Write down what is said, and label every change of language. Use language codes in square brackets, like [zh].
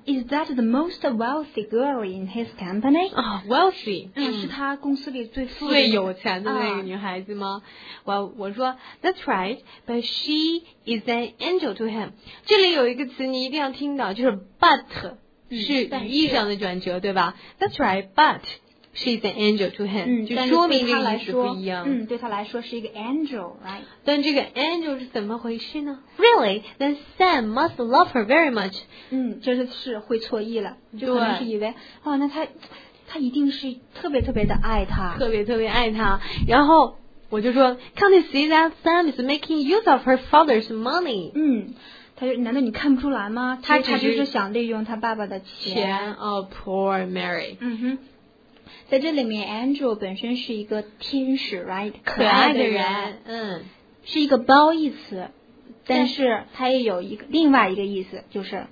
[en] Is that the most wealthy girl in his company? Wealthy. [zh] 是他公司里最富最有钱的那个女孩子吗？我说 [en] that's right, but she is an angel to him. [zh] 这里有一个词你一定要听到，就是 but, 是语义上的转折，对吧？ [en] That's right, but. She's an angel to him. [zh] 就说明这个意思不一样。对他来说是一个 angel, right? 但这个 angel 是怎么回事呢？ [en] Really? Then Sam must love her very much. [zh] 这就是会错意了。就可能是以为，那他一定是特别特别的爱他。特别特别爱他。然后我就说 [en] Can't you see that Sam is making use of her father's money? [zh] 他就难道你看不出来吗？他就是想利用他爸爸的钱。 [en] Oh, poor Mary. [zh] 在这里面 ，Angel 本身是一个天使 ，right？可爱的人，是一个褒义词，但是它也有一个另外一个意思，就是